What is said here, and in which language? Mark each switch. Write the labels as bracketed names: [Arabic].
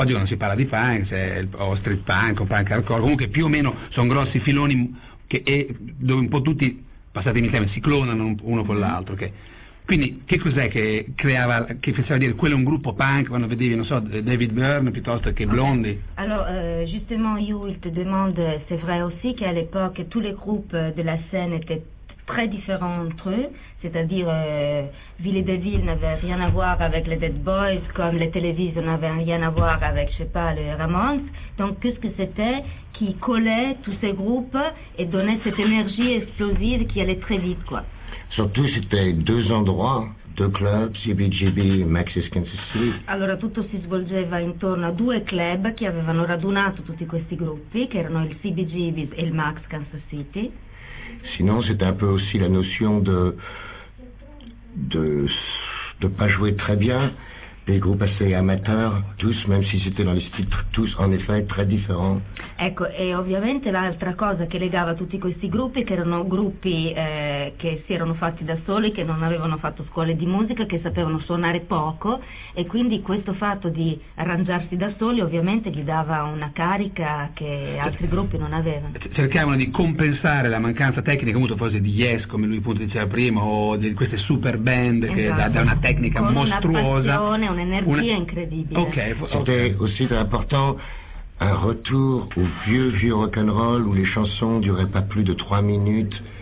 [Italian] Oggi non si parla di punk, c'è o street punk o punk hardcore, comunque più o meno sono grossi filoni che dove un po' tutti, passatemi il tema, si clonano uno con l'altro. Okay. Quindi che cos'è che creava, che faceva dire quello è un gruppo punk quando vedevi, non so, David Byrne piuttosto che Blondie? Okay. Allora, [French] justement, Yul te demande, c'est vrai aussi qu'à l'époque, tous les groupes de la scène étaient très différents entre eux, c'est-à-dire Ville et Deville n'avait rien à voir avec les Dead Boys, comme les Televisions n'avaient rien à voir avec, je sais pas, les Ramones. Donc, qu'est-ce que c'était qui collait tous ces groupes et donnait cette énergie explosive qui allait très vite, quoi. Surtout, c'était deux endroits, deux clubs, CBGB, Maxis, Kansas City. [Italian] Allora, tutto si svolgeva intorno a due club che avevano radunato tutti questi gruppi, che erano il CBGB e il Max Kansas City. [French] Sinon, c'était un peu aussi la notion de pas jouer très bien, des groupes assez amateurs, tous, même si c'était dans les titres, tous en effet très différents. [Italian] Ecco, e ovviamente l'altra cosa che legava tutti questi gruppi, che erano gruppi che si erano fatti da soli, che non avevano fatto scuole di musica, che sapevano suonare poco, e quindi questo fatto di arrangiarsi da soli ovviamente gli dava una carica che altri gruppi non avevano. Cercavano di compensare la mancanza tecnica, molto forse di Yes, come lui appunto diceva prima, o di queste super band, che esatto, da una tecnica con mostruosa. Una passione, un'energia incredibile. Ok, [French] c'était aussi très important. Un retour au vieux, vieux rock'n'roll où les chansons duraient pas plus de 3 minutes.